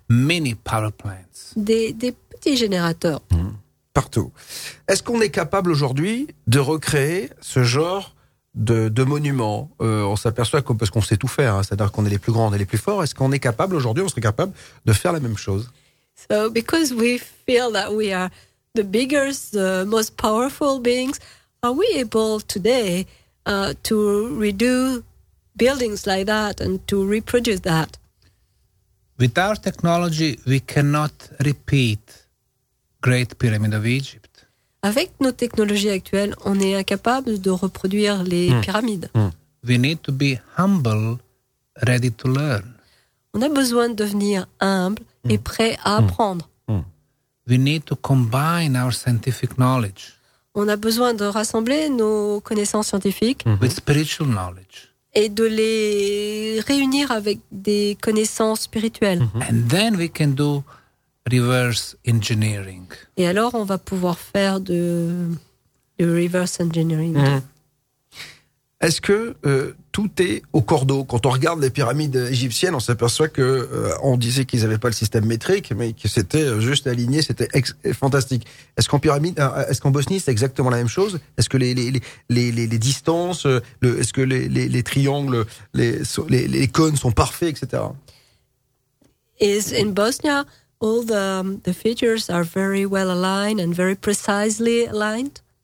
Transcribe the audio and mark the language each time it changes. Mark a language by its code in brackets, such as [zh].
[en] Many power plants. [fr] Des petits générateurs. Partout. Est-ce qu'on est capable aujourd'hui de recréer ce genre de monuments? On s'aperçoit que, parce qu'on sait tout faire, hein, c'est-à-dire qu'on est les plus grands, on est les plus forts. Est-ce qu'on est capable aujourd'hui, on serait capable de faire la même chose? [en] So, because we feel that we are the biggest, the most powerful beings, are we able today to redo buildings like that and to reproduce that? With our technology, we cannot repeat Great Pyramid of Egypt. [fr] Avec nos technologies actuelles, on est incapable de reproduire les pyramides. [en] We need to be humble, ready to learn. [fr] On a besoin de devenir humble et prêt à apprendre. [en] We need to combine our scientific knowledge. [fr] On a besoin de rassembler nos connaissances scientifiques [en] with spiritual knowledge. [fr] Et de les réunir avec des connaissances spirituelles. [en] And then we can do reverse engineering. [fr] Et alors on va pouvoir faire de reverse engineering. Est-ce que tout est au cordeau? Quand on regarde les pyramides égyptiennes, on s'aperçoit que on disait qu'ils n'avaient pas le système métrique, mais que c'était juste aligné, c'était fantastique. Est-ce qu'en pyramide, est-ce qu'en Bosnie, c'est exactement la même chose? Est-ce que les distances, est-ce que les triangles, les cônes sont parfaits, etc. [en] Is in Bosnia all the features are very well aligned and very precisely aligned?